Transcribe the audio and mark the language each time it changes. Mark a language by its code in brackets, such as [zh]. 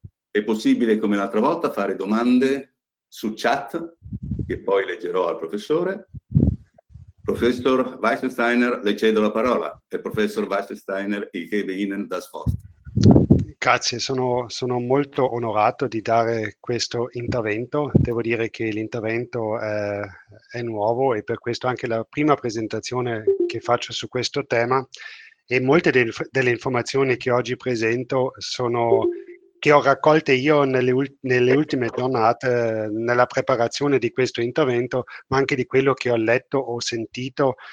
[it] È possibile, come l'altra volta, fare domande su chat, che poi leggerò al professore. Professor Weißensteiner, le cedo la parola. [de] Il professor Weißensteiner, ich gebe Ihnen das Wort. [it] Grazie, sono molto onorato di dare questo intervento. Devo dire che l'intervento è nuovo e per questo anche la prima presentazione che faccio su questo tema. E molte delle informazioni che oggi presento sono che ho raccolto io nelle ultime giornate, nella preparazione di questo intervento, ma anche di quello che ho letto o sentito.